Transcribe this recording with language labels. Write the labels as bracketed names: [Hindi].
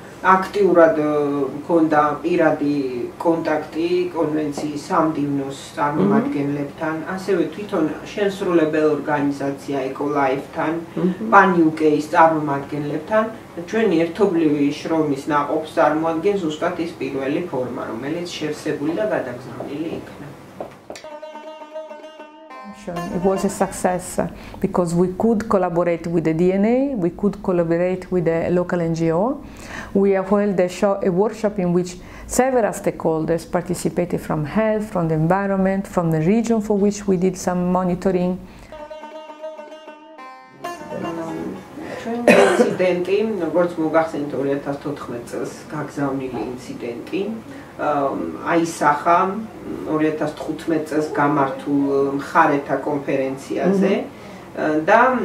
[Georgian] აქტიურად მქონდა პირადი კონტაქტი კონვენციის სამდივნოს წარმომადგენლებთან, ასევე თვითონ შესრულებელ ორგანიზაცია ეკოლაიფთან, პანიუკეის წარმომადგენლებთან. ჩვენი ერთობლივი შრომის ნაყოფს წარმოადგენს ზუსტად ის პირველი ფორმა, რომელიც შევსებული და გადაგზავნილი იქნა. [English] It was a success because we could collaborate with the DNA, we could collaborate with the local NGO. We have held a workshop in which several stakeholders participated from health, from the environment, from the region for which we did some monitoring. [Georgian] ინციდენტი, როგორც მოგახსენით 2014 წელს გაგზავნილი ინციდენტი, აისახა 2015 წელს გამართულ მხარეთა კონფერენციაზე და